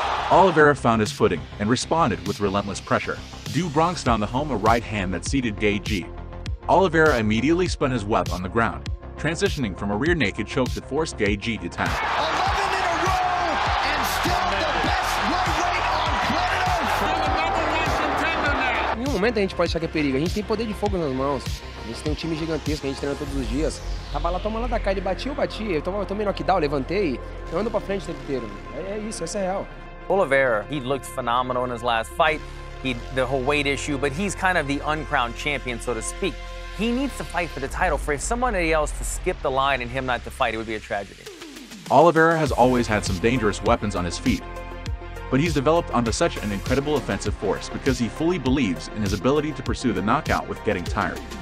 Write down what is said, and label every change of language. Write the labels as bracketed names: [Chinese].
[English] Oliveira found his footing and responded with relentless pressure. DuBronx found the home a right hand that seated Gaethje. Oliveira immediately spun his web on the ground, transitioning from a rear naked choke that forced Gaethje to tap. 11 in a row, and still the best lightweight on planet Earth. [Portuguese] Em nenhum momento a gente pode achar que é perigo. A gente tem poder de fogo nas mãos. A gente tem um time gigantesco, a gente treina todos os dias. Tava lá, tomando da cara, ele batia, eu bati. Eu tomei knockdown, levantei. Eu ando pra frente o tempo inteiro. Isso é real. [English] Oliveira, he looked phenomenal in his last fight, the whole weight issue, but he's kind of the uncrowned champion, so to speak. He needs to fight for the title. For someone else to skip the line and him not to fight, it would be a tragedy. Oliveira has always had some dangerous weapons on his feet, but he's developed onto such an incredible offensive force because he fully believes in his ability to pursue the knockout with getting tired.